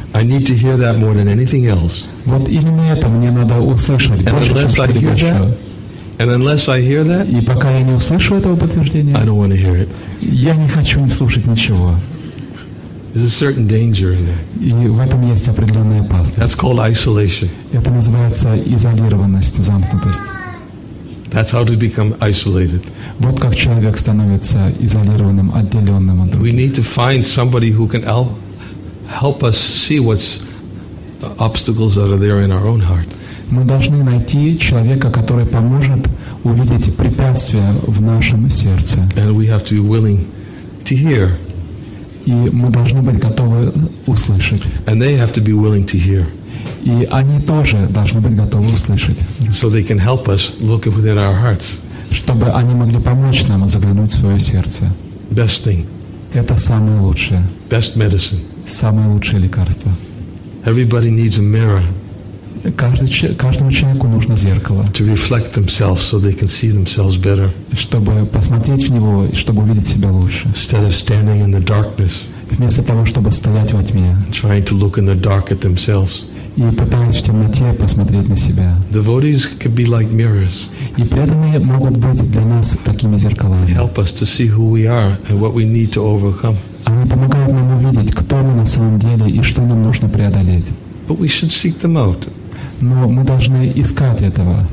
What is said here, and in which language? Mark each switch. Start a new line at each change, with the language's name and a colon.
English: I need to hear that more than anything else.
Russian: Вот именно это мне надо услышать
English: and
Russian: больше, чем что-либо еще.
English: And unless I hear that,
Russian: и пока я не услышу этого подтверждения,
English: I don't want to hear it.
Russian: Я не хочу не слушать ничего.
English: There's a certain danger in there.
Russian: И в этом есть определенная опасность.
English: That's called isolation.
Russian: Это называется изолированность, замкнутость.
English: That's how to become isolated.
Russian: Вот как человек становится изолированным, отделенным от других.
English: We need to find somebody who can help us see what's the obstacles that are there in our own heart.
Russian: Мы должны найти человека, который поможет увидеть препятствия в нашем сердце.
English: And we have to be willing to hear.
Russian: И мы должны быть готовы услышать.
English: And they have to be willing to hear.
Russian: И они тоже должны быть готовы услышать.
English: So they can help us look within our hearts.
Russian: Чтобы они могли помочь нам заглянуть в свое сердце.
English: Best thing.
Russian: Это самое лучшее.
English: Best medicine.
Russian: Самое лучшее лекарство.
English: Everybody needs a mirror.
Russian: Каждому человеку нужно зеркало.
English: To reflect themselves so they can see themselves better.
Russian: Чтобы посмотреть в него, чтобы увидеть себя лучше.
English: Instead of standing in the darkness.
Russian: Вместо того, чтобы стоять во тьме.
English: Trying to look in the dark at themselves.
Russian: И пытаясь в темноте посмотреть на себя.
English: Devotees could be like mirrors.
Russian: И преданные могут быть для нас такими зеркалами.
English: Help us to see who we are and what we need to overcome.
Russian: Они помогают нам увидеть, кто мы на самом деле и что нам нужно преодолеть.
English: But we should seek them out.
Russian: Но мы должны искать этого.